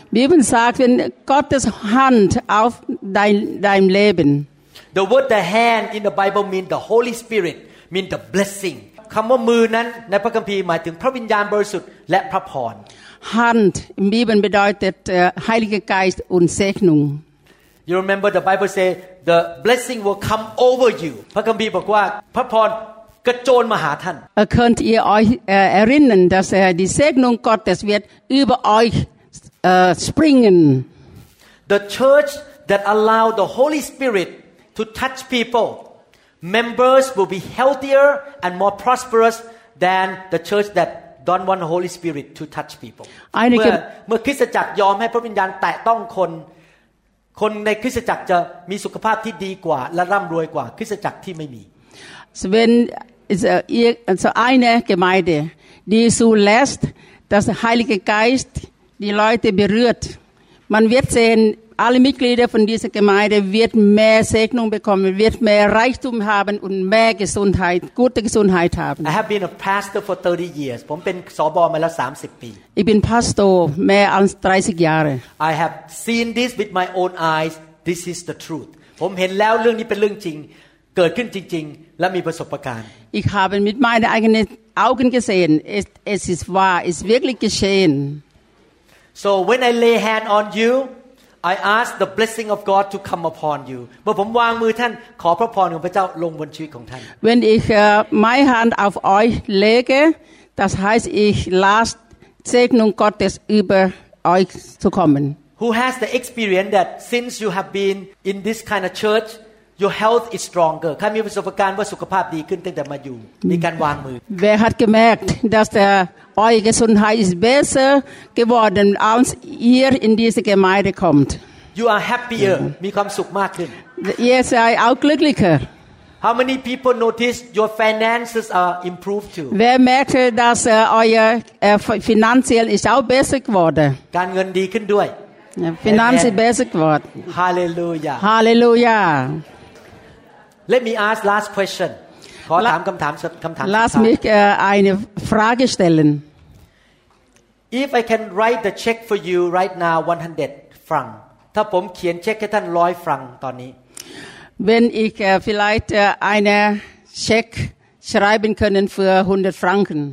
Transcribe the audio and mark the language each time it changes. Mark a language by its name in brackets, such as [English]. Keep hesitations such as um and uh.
[German] Bibel sagt, wenn Gottes Hand auf dein, dein Leben, [English] The word the hand in the Bible mean the Holy Spirit mean the blessing [Thai] คำว่ามือนั้นในพระคัมภีร์หมายถึงพระวิญญาณบริสุทธิ์และพระพร [German] Hand im Bibel bedeutet äh, Heiliger Geist und Segnung. [English] You remember the Bible say the blessing will come over you [Thai] พระคัมภีร์บอกว่าพระพรกระโจนมาหาท่าน [German] Äh, könnt ihr euch äh, erinnern, dass äh, die Segnung Gottes wird über euch äh, springen? [English] The church that allow the Holy Spirit to touch people members will be healthier and more prosperous than the church that don't want the Holy Spirit to touch people [Thai] ไอ้นี่ เมื่ ก็ อเมื่อคริสตจักรยอมให้พระวิญญาณแตะต้องคน คนในคริสตจักรจะมีสุขภาพที่ดีกว่า และร่ำรวยกว่าคริสตจักรที่ไม่มี [German] Also wenn es, äh, ihr, also eine Gemeinde, die zulässt, dass der Heilige Geist die Leute berührt, man wird sehen, alle Mitglieder von dieser Gemeinde wird mehr Segnung bekommen, wird mehr Reichtum haben und mehr Gesundheit, gute Gesundheit haben. [English] I have been a pastor for 30 years [Thai] ผมเป็นสอบมาแล้ว 30 ปี [German] Ich bin Pastor mehr als 30 Jahre. [English] I have seen this with my own eyes this is the truth [Thai] ผมเห็นแล้วเรื่องนี้เป็นเรื่องจริง เกิดขึ้นจริง ๆ และมีประสบการณ์ [German] Ich habe mit meinen eigenen Augen gesehen, es, es ist wahr, es ist wirklich geschehen. [English] so when I lay hand on you I ask the blessing of God to come upon you [Thai] เมื่อผมวางมือท่านขอพระพรของพระเจ้าลงบนชีวิตของท่าน [German] Wenn ich äh, meine Hand auf euch lege, das heißt, ich lasse Segnung Gottes über euch zu kommen. [English] who has the experience that since you have been in this kind of church your health is stronger [Thai] ใครมีประสบการณ์ว่าสุขภาพดีขึ้นตั้งแต่มาอยู่มีการวางมือ [German] Wer hat gemerkt, dass der, eure Gesundheit ist besser geworden, als ihr in diese Gemeinde kommt? [English] you are happier [Thai] มีความสุขมากขึ้น [German] Ihr seid auch glücklicher. [English] How many people notice your finances are improved too? [German] Wer merkte, dass äh, euer äh, finanziell ist auch besser geworden? [Thai] การเงินดีขึ้นด้วย [German] Ja, Finanzen Amen. besser geworden. Hallelujah. Halleluja. [English] Let me ask last question. [Thai] ขอถามคำถามสุดคำถามสุด [German] Lass [Thai] ท้าย [German] mich äh, eine Frage stellen. [English] If I can write the check for you right now 100 franc [Thai] ถ้าผมเขียนเช็คให้ท่านร้อยฟรังตอนนี้ [German] Wenn ich äh, vielleicht äh, einen Scheck schreiben können für 100 Franken.